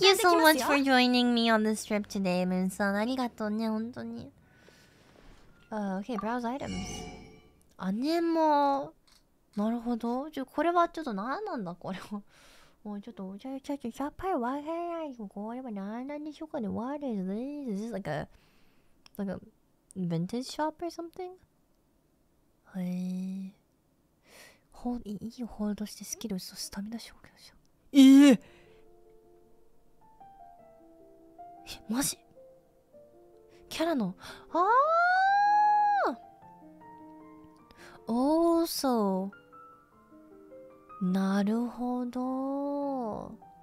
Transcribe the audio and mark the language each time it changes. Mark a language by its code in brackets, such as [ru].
[en] Thank you so much for joining me on this trip today, ムーさん。 [ja] ありがとうね、本当に。 [en] Okay, browse items. [ja] アネモ。なるほど。これはちょっと何なんだ、これは。もうちょっと、ちょっと、さっぱりわからない。これは何なんでしょうかね。 [en] What is this? Is this like a vintage shop or something? [ja] いいホールドしてスキルとスタミナ消去しよう。マジ？キャラの、あー、おーそう、なるほど。